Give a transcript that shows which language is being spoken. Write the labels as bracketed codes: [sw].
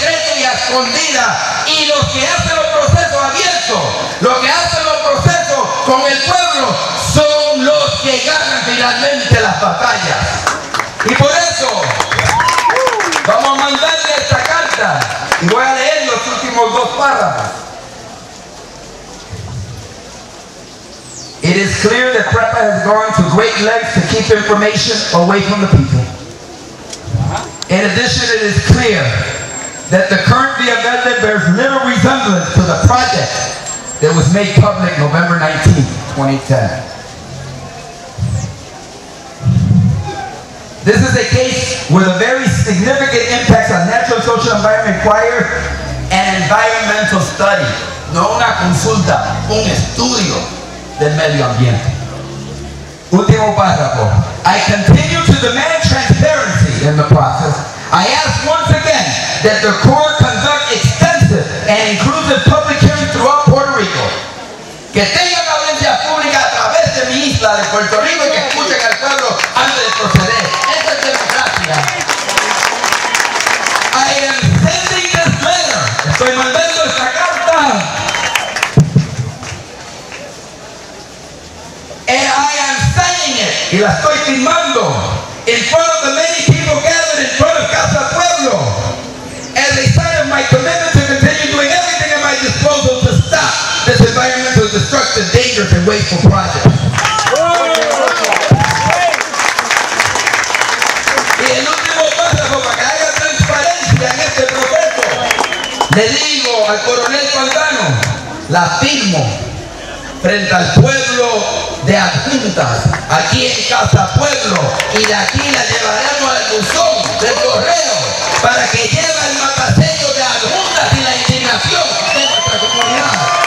[es] Y lo que hacen los procesos abiertos, lo que hacen los procesos con el pueblo, son los que ganan finalmente las batallas. Y por eso vamos a mandarle esta carta y voy a leer los últimos dos párrafos. [en] It is clear that PREPA has gone to great lengths to keep information away from the people. In addition, it is clear that the current Via Verde bears little resemblance to the project that was made public November 19, 2010. This is a case with a very significant impact on natural, social, environment, require an environmental study, [es] no una consulta, un estudio del medio ambiente. Último párrafo. [en] I continue to demand transparency in the process. I ask once again that the Corps conduct extensive and inclusive public hearings throughout Puerto Rico. [es] Que tengan audiencia pública a través de mi isla de Puerto Rico y que escuchen al pueblo antes de proceder. Esa es democracia. [en] I am sending this letter. [es] Estoy mandando esta carta. [en] And I am signing it. [es] Y la estoy firmando. [en] In front of the many people gathered in front of Casa Pueblo, as a sign of my commitment to continue doing everything at my disposal to stop this environmental destruction, dangerous, and wasteful project. [es] Y el último párrafo para que haya transparencia en este proceso, le digo al coronel Pantano, la firmo frente al pueblo de Adjuntas, aquí en Casa Pueblo, y de aquí la llevaremos al buzón del correo para que lleve el mapacheco de Adjuntas y la indignación de nuestra comunidad.